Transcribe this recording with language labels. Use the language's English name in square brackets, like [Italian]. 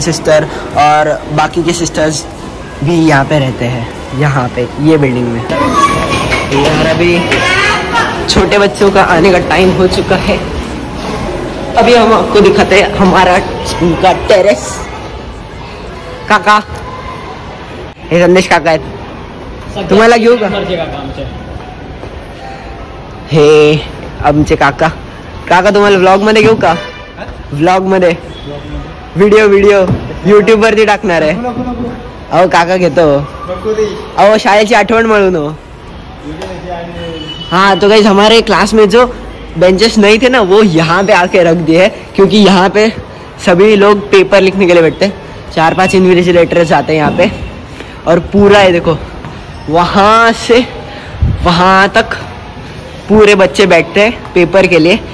[Hindi] Sister और बाकी के सिस्टर्स भी यहाँ पे रहते हैं, यहाँ पे ये बिल्डिंग में। यार अभी छोटे बच्चों का आने का टाइम हो चुका है, अभी हम आपको दिखाते हैं हमारा स्कूल का टेरेस। काका, ये संदेश काका है, तुम्हें लगे होगा हे अब मुझे काका काका तुम्हें [Marathi] व्लॉग मध्ये घेऊ का, व्लॉग मध्ये व्हिडिओ व्हिडिओ यूट्यूब वरती टाकणार आहे। अहो काका घेतो, अहो शाळेची आठवण म्हणून। [Hindi] हाँ तो गाइस, हमारे क्लास में जो बेंचेस नहीं थे ना, वो यहाँ पे आके रख दिए हैं, क्योंकि यहाँ पे सभी लोग पेपर लिखने के लिए बैठते हैं। चार पांच इन्विजिलेटर्स आते हैं यहाँ पे, और पूरा है देखो, वहाँ से वहाँ तक पूरे बच्चे बैठते हैं पेपर के लिए।